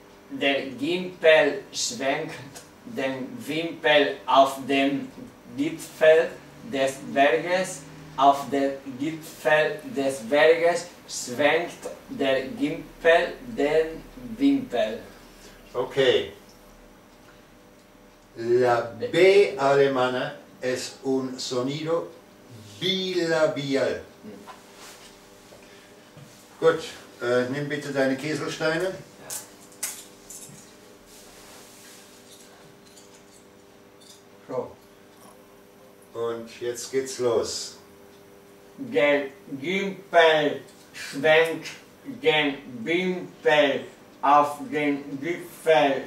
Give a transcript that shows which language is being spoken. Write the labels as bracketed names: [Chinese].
[German] Der Gimpel schwenkt den Wimpel auf dem Gipfel des Berges. Auf dem Gipfel des Berges schwenkt der Gimpel den Wimpel. Okay. [Spanish] La B alemana es un sonido bilabial. [German] Gut, nimm bitte deine Kieselsteine. Und jetzt geht's los. Der Gimpel schwenkt den Wimpel auf den Gipfel.